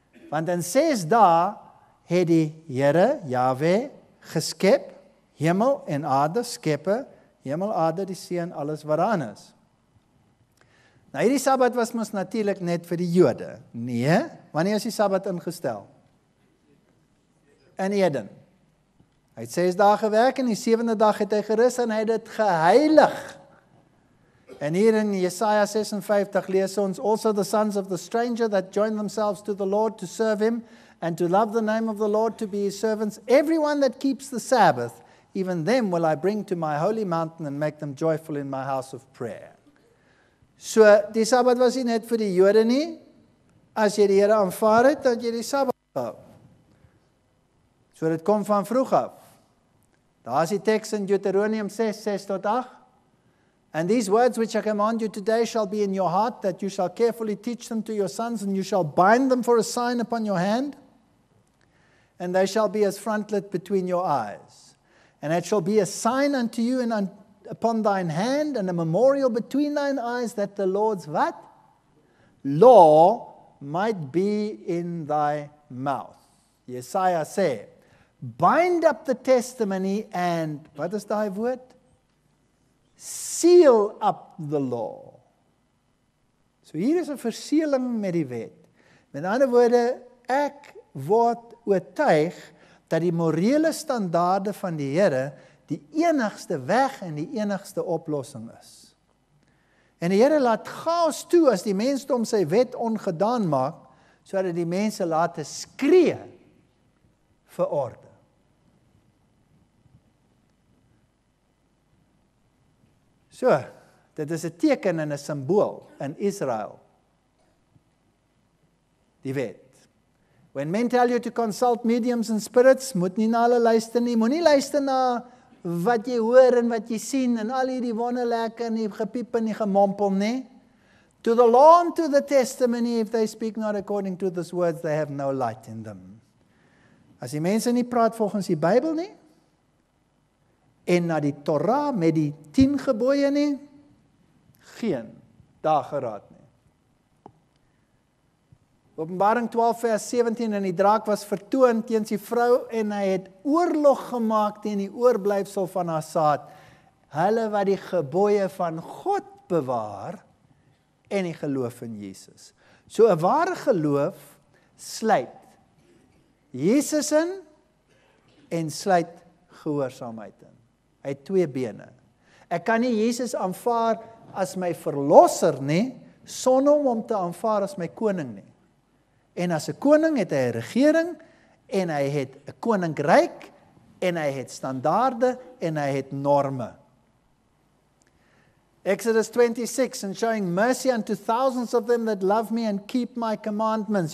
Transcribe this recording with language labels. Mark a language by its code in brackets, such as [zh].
[af] Want in 6 dae het die Here, Yahweh, geskep, hemel en aarde skeppe, hemel, aarde, die see en alles wat daarin is. Nou hierdie Sabbat was mos natuurlik net vir die Jode. Nee, wanneer is die Sabbat ingestel? In Eden. Hy het 6 dae gewerk en die 7de dag het hy gerus en hy het dit geheilig. En hier in Jesaja 56 lees ons, [en] Also the sons of the stranger that join themselves to the Lord to serve him and to love the name of the Lord, to be his servants. Everyone that keeps the Sabbath, even them will I bring to my holy mountain and make them joyful in my house of prayer. [af] So, die Sabbat was nie net vir die Jode nie. As jy die Here aanvaar het, dan jy die Sabbat hou. So dit kom van vroeg af. Daar is die tekst in Deuteronomium 6, 6 tot 8. [en] And these words which I command you today shall be in your heart, that you shall carefully teach them to your sons, and you shall bind them for a sign upon your hand, and they shall be as frontlet between your eyes. And it shall be a sign unto you and upon thine hand, and a memorial between thine eyes, that the Lord's what? Law might be in thy mouth. Jesaja said, bind up the testimony and, what is thy word? Seal up the law. [af] So hier is 'n verseëling met die wet. Met ander woorde, ek word oortuig dat die morele standaarde van die Here die enigste weg en die enigste oplossing is. En die Here laat chaos toe as die mensdom sy wet ongedaan maak, sodat die mense laat skree vir orde. So, dit is 'n teken en 'n simbool in Israel. Die wet. [en] When men tell you to consult mediums and spirits, [af] moet nie na hulle luister nie. Moet nie luister na wat jy hoor en wat jy sien en al hierdie wonderlike en die gepiep en die gemompel nie. [en] To the law and to the testimony, if they speak not according to these words, they have no light in them. [af] As die mense nie praat volgens die Bybel nie, en na die Torah met die 10 gebooie nie, geen dageraad nie. Openbaring 12 vers 17, en die draak was vertoon teens die vrou, en hy het oorlog gemaakt teen die oorblijfsel van haar saad, hulle wat die gebooie van God bewaar, en die geloof in Jesus. So, 'n ware geloof sluit Jesus in, en sluit gehoorsaamheid in. Hy het twee bene. Ek kan nie Jesus aanvaar as my verlosser nie, sonder om hom te aanvaar as my koning nie. En as 'n koning het hy 'n regering, en hy het 'n koninkryk, en hy het standaarde, en hy het norme. [en] Exodus 26, and showing mercy unto thousands of them that love me and keep my commandments.